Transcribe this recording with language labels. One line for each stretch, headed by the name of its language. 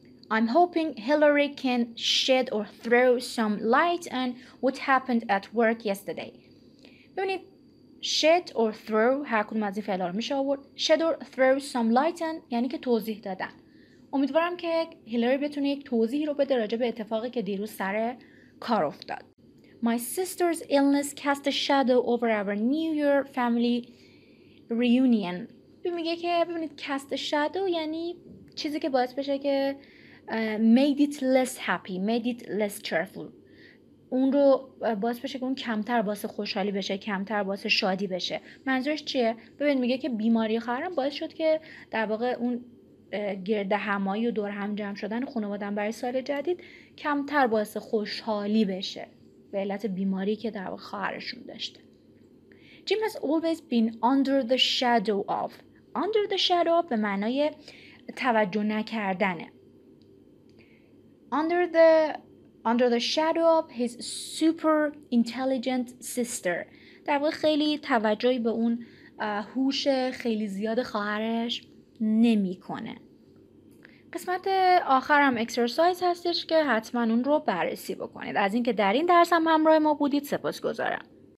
English: I'm hoping Hillary can shed or throw some light on what happened at work yesterday.
Persian: ببینید shed or throw هر کدوم از این فعلا رو میشه آورد. Shed or throw some light on یعنی که توضیح دادن. امیدوارم که هیلاری بتونه یک توضیحی رو بده راجع به اتفاقی که دیروز سر کار افتاد.
English: My sister's illness cast a shadow over our New Year family reunion.
Persian: میگه که ببینید cast a shadow یعنی چیزی که باعث بشه که
English: made it less happy, made it less cheerful.
Persian: اون رو باعث بشه که اون کمتر باعث خوشحالی بشه، کمتر باعث شادی بشه. منظورش چیه؟ ببین میگه که بیماری خواهرم باعث شد که در واقع اون گرده همایی و دور هم جمع شدن خانواده‌ام برای سال جدید کمتر باعث خوشحالی بشه. به علت بیماری که در واقع خواهرشون داشته.
English: Jim has always been under the shadow of.
Persian: Under the shadow of به معنای توجه نکردنه.
English: Under the shadow of his super intelligent sister.
Persian: در واقع خیلی توجهی به اون هوش خیلی زیاد خواهرش نمی کنه. قسمت آخرم اکسرسایز هستش که حتما اون رو بررسی بکنید. از اینکه در این درس هم همراه ما بودید سپاسگزارم.